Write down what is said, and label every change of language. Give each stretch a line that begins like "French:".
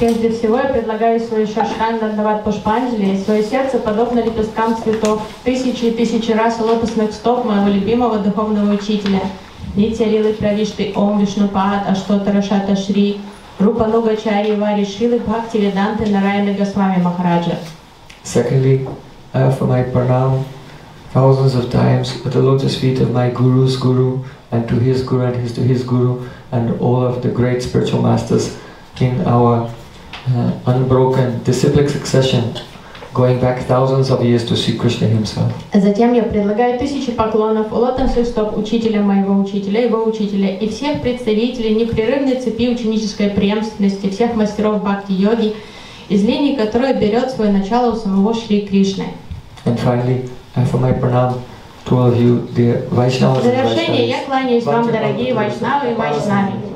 Russian: Я здесь всего я предлагаю свою шашхану отдавать Пушпанджали, свое сердце подобно лепесткам цветов, тысячи и тысячи раз лотосных стоп моего любимого духовного учителя. Нитя лилы правишты Ом Вишнупад Аштотара Шата Шри Рупанугачари Варья Шилы Бхакти Веданты Нараяна Госвами Махараджа.
English: Secondly, I offer my pranam thousands of times at the lotus feet of my guru's guru and to his guru and his to his guru and all of the great spiritual masters in our unbroken disciplic succession going back thousands of years to see Krishna himself.
Russian: Затем я предлагаю тысячи поклонов у лотосных стоп учителя моего учителя, его учителя и всех представителей непрерывной цепи ученической преемственности всех мастеров бхакти-йоги, из линии которой берет свое начало у самого Шри Кришны.
English: And finally, I offer my pranam to all of you, dear Vaishnavas and
Russian: Vaishnavas. В завершение я кланяюсь вам, дорогие Вайшнавы и Вайшнави.